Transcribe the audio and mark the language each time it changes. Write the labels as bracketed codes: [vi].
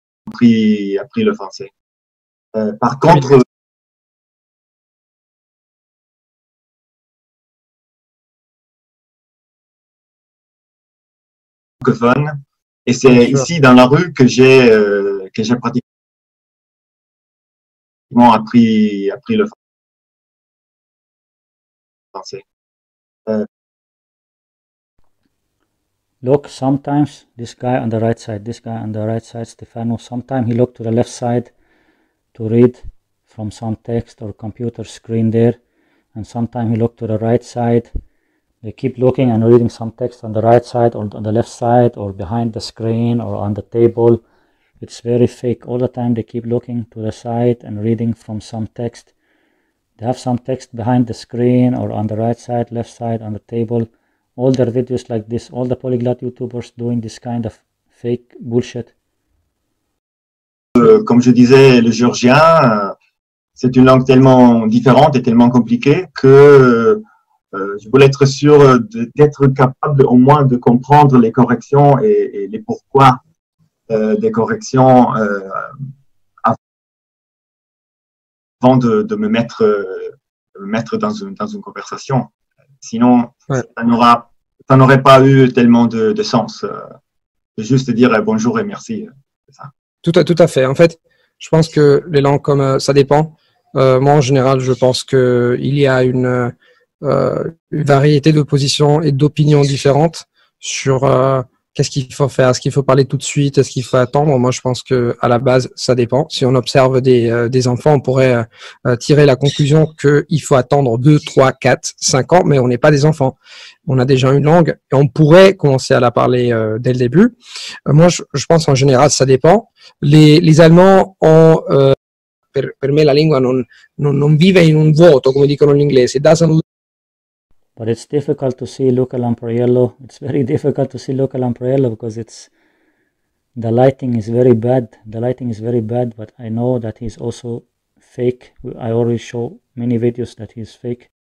[fr] appris le français. Par contre, francophone, et c'est ici dans la rue que j'ai pratiquement appris le français. [en] Look, sometimes this guy on the right side, Stefano, sometimes he looked to the left side to read from some text or computer screen there, and sometimes he looked to the right side. They keep looking and reading some text on the right side or on the left side or behind the screen or on the table. It's very fake. All the time they keep looking to the side and reading from some text. They have some text behind the screen or on the right side, left side, on the table. All their videos like this, all the polyglot YouTubers doing this kind of fake bullshit. [fr] Comme je disais, le géorgien, c'est une langue tellement différente et tellement compliquée que je voulais être sûr d'être capable au moins de comprendre les corrections et les pourquoi des corrections avant de me mettre dans une conversation. Sinon, ça n'aurait pas eu tellement de sens. Juste dire bonjour et merci. C'est ça. Tout à fait. En fait, je pense que les langues, comme ça dépend. Moi, en général, je pense qu'il y a une variété de positions et d'opinions différentes sur qu'est-ce qu'il faut faire. Est-ce qu'il faut parler tout de suite? Est-ce qu'il faut attendre? Moi, je pense qu'à la base, ça dépend. Si on observe des enfants, on pourrait tirer la conclusion qu'il faut attendre 2, 3, 4, 5 ans, mais on n'est pas des enfants. On a déjà une langue et on pourrait commencer à la parler dès le début. Moi, je pense en général, ça dépend. Les Allemands ont... [it] per me la lingua non vive in un vuoto, come dicono gli inglesi. [en] It doesn't... But it's difficult to see Luca Lampariello. It's very difficult to see Luca Lampariello because the lighting is very bad. The lighting is very bad, but I know that he's also fake. I already show many videos that he's fake.